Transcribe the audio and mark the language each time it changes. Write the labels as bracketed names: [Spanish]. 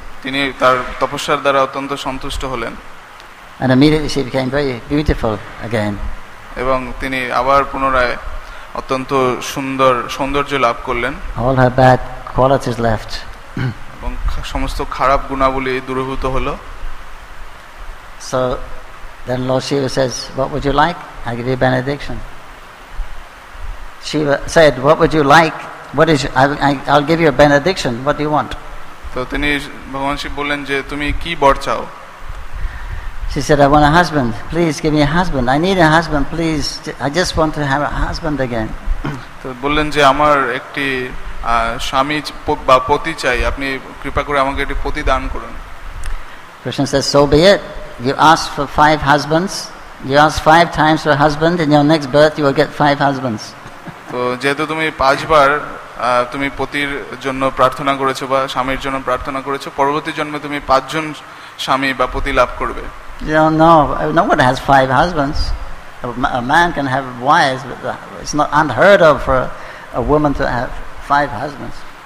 [Bangla] তিনি তার তপস্যার দ্বারা অত্যন্ত সন্তুষ্ট হলেন। [English] And immediately she became very beautiful again. [Bangla] এবং তিনি আবার পুনরায় অত্যন্ত সুন্দর সৌন্দর্য লাভ করলেন। [English] All her bad qualities left. [Bangla] এবং সমস্ত খারাপ গুণাবলী দূরীভূত হলো। [English] So then Lord Shiva says, what would you like? I give you a benediction. Shiva said, what would you like? I'll give you a benediction. What do you want? [Bangla] তো তিনি ভগবান শিব বললেন যে তুমি কি বর চাও? [English] She said, I want a husband. Please give me a husband. I need a husband. Please. I just want to have a husband again. [Bangla] তো বললেন যে আমার একটি স্বামী বা পতি চাই, আপনি কৃপা করে আমাকে একটি পতি দান করুন। [English] Krishna says, so be it. You asked for five husbands. You asked five times for a husband. In your next birth, you will get five husbands. [Bangla] তো যেহেতু তুমি পাঁচবার তুমি পতির জন্য প্রার্থনা করেছো বা স্বামীর জন্য প্রার্থনা করেছো, পরবর্তী জন্মে তুমি পাঁচজন স্বামী বা পতি লাভ করবে। [English] No one has five husbands. A man can have wives, but it's not unheard of for a woman to have five husbands.